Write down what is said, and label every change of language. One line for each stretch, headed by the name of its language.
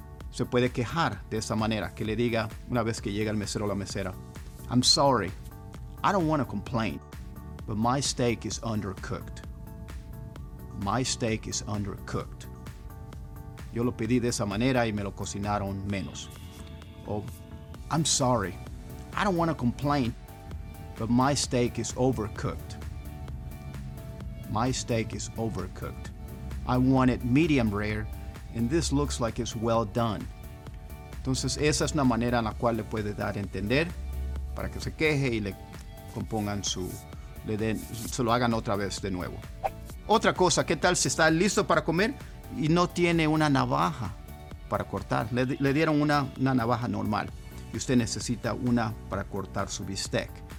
Spanish: Se puede quejar de esa manera, que le diga una vez que llega el mesero o la mesera,
English: I'm sorry, I don't want to complain, but my steak is undercooked. My steak is undercooked.
Spanish: Yo lo pedí de esa manera y me lo cocinaron menos.
English: Oh, I'm sorry, I don't want to complain, but my steak is overcooked. My steak is overcooked. I want it medium rare, and this looks like it's well done.
Spanish: Entonces, esa es una manera en la cual le puede dar a entender para que se queje y le compongan su, le den, se lo hagan otra vez de nuevo. Otra cosa, ¿qué tal si está listo para comer y no tiene una navaja para cortar? Le dieron una navaja normal y usted necesita una para cortar su bistec.